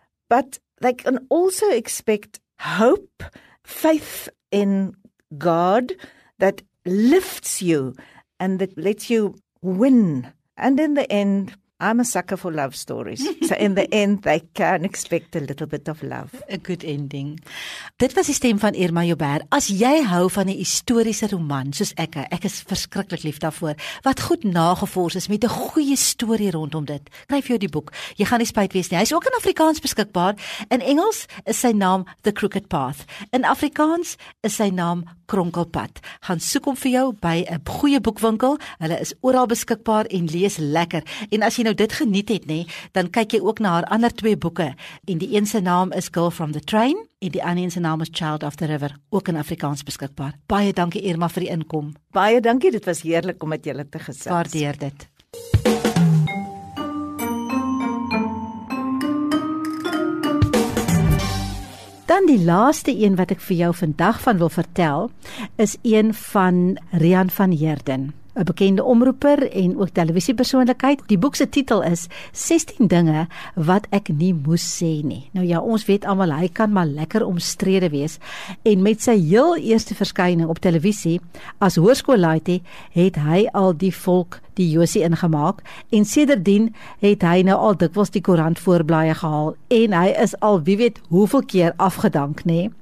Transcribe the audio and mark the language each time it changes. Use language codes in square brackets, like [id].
[en] But they can also expect hope, faith in God that lifts you and that lets you win. And in the end, I'm a sucker for love stories. So in the end, they can expect a little bit of love. A good ending. [af] Dit was die stem van Irma Joubert. As jy hou van 'n historiese roman, soos ek is verskriklik lief daarvoor, wat goed nagevors is met 'n goeie storie rondom dit, kryf jou die boek. Jy gaan nie spyt wees nie. Hy is ook in Afrikaans beskikbaar. In Engels is sy naam The Crooked Path. In Afrikaans is sy naam Kronkelpad. Gaan soek hom vir jou by 'n goeie boekwinkel. Hulle is oral beskikbaar en lees lekker. En as jy nou dit geniet het, nee, dan kyk jy ook na haar ander twee boeke. En die een se naam is Girl from the Train en die ander een se naam is Child of the River, ook in Afrikaans beskikbaar. Baie dankie Irma vir die inkom. Baie dankie, dit was heerlik om met julle te gesels. Waardeer dit. Dan die laaste een wat ek vir jou vandag van wil vertel, is een van Rian van Heerden. 'N bekende omroeper en ook televisiepersoonlikheid. Die boek se titel is 16 dinge wat ek nie moes sê nie. Nou ja, ons weet almal hy kan maar lekker omstrede wees en met sy heel eerste verskyning op televisie as hoërskoolleiter het hy al die volk die Josie ingemaak en sedertdien het hy nou al dikwels die koerant voorblaaie gehaal en hy is al wie weet hoeveel keer afgedank nie.